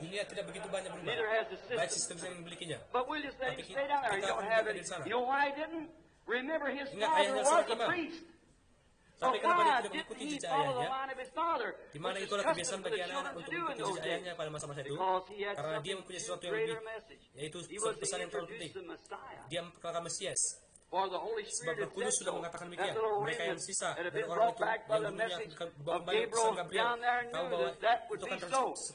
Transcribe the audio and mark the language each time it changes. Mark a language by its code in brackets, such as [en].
[id] Dunia tidak begitu banyak berubah. Baik sistem yang dimilikinya. [en] But we'll just let him stay down there. You don't have it. You know why I didn't? Remember his father was a priest. [id] Tapi kenapa dia tidak mengikuti jejak ayahnya? Di mana itu adalah kebiasaan bagi anak-anak untuk mengikuti jejak ayahnya pada masa-masa itu? Karena dia mempunyai sesuatu yang lebih, yaitu pesan yang terlalu penting. Dia memperkenalkan Mesias. Sebab Roh Kudus sudah mengatakan demikian. Mereka yang sisa dari orang itu yang dulunya membawa pesan Gabriel tahu bahwa itu akan terjadi.